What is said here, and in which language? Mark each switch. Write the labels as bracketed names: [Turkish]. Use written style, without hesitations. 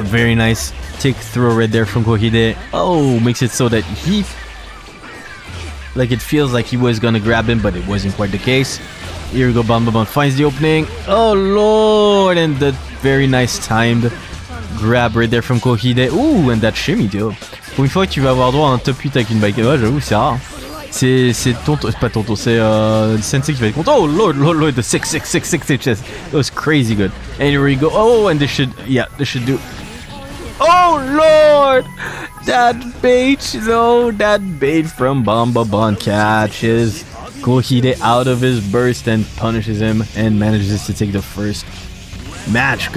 [English] Very nice tick throw right there from Kouhide. Oh, makes it so that he... like, it feels like he was gonna grab him, but it wasn't quite the case. Here we go. Banbaban finds the opening. Oh, lord! And the very nice timed grab right there from Kouhide. Ooh, and that shimmy, dude. [French] Pour une fois, tu vas avoir droit à un top 8 avec une bike. Ouais, j'avoue, c'est rare. C'est tonton, c'est pas tonton, c'est Sensei qui va être content. [English] Oh lord, lord, lord, the 6666 HS. It was crazy good. And here we go. Oh, and this should, yeah, this should do. Oh lord! That bait, though, that bait from Banbaban catches Kouhide out of his burst and punishes him and manages to take the first match.